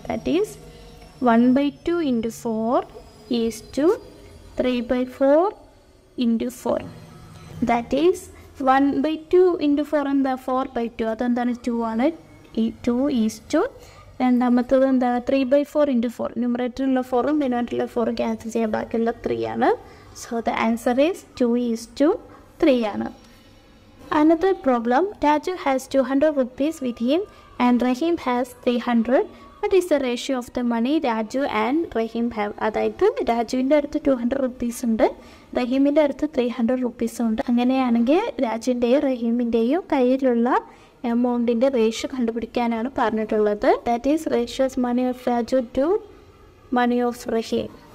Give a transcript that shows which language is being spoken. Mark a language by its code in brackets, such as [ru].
[en] That is 1/2 × 4 = 3/4 × 4. That is [ml] 1/2 × 4 എന്താ, 4/2, അതെന്താണ്, 2 ആണ്. ഈ 2 = രണ്ടാമത്തത് എന്താണ്, 3/4 × 4. ന്യൂമറേറ്ററുള്ള 4 ഡിനോമിനേറ്ററിലെ 4 ക്യാൻസൽ ചെയ്യാം, ബാക്കിയുള്ള 3 ആണ്. [en] so the answer is 2:3 [ml] ആണ്. [en] Another problem, Raju has 200 rupees with him and Rahim has 300. What is the ratio of the money Raju and Rahim have? [ml] അതായത് രാജുവിൻ്റെ അടുത്ത് 200 rupees ഉണ്ട്, റഹീമിൻ്റെ അടുത്ത് 300 rupees ഉണ്ട്. അങ്ങനെയാണെങ്കിൽ രാജുവിൻ്റെയും റഹീമിൻ്റെയും കയ്യിലുള്ള എമൗണ്ടിൻ്റെ റേഷ്യോ കണ്ടുപിടിക്കാനാണ് പറഞ്ഞിട്ടുള്ളത്. [en] That is ratio of money of Raju to money of Rahim.